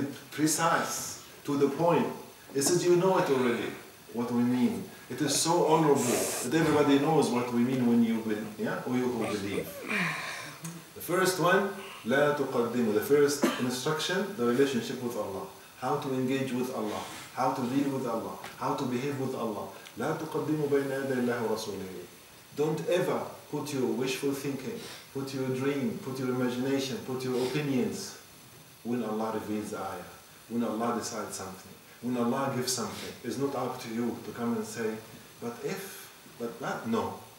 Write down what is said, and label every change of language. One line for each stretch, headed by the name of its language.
English: Precise, to the point. It says you know it already, what we mean. It is so honorable that everybody knows what we mean when you believe. Yeah? Or you who believe. The first one,
Arabic: لا تقدموا.
English: The first instruction, the relationship with Allah. How to engage with Allah, how to deal with Allah, how to behave with Allah.
Arabic: لا تقدموا بين يدي الله ورسوله.
English: Don't ever put your wishful thinking, put your dream, put your imagination, put your opinions when Allah reveals the ayah, when Allah decides something, when Allah gives something. It's not up to you to come and say, but no.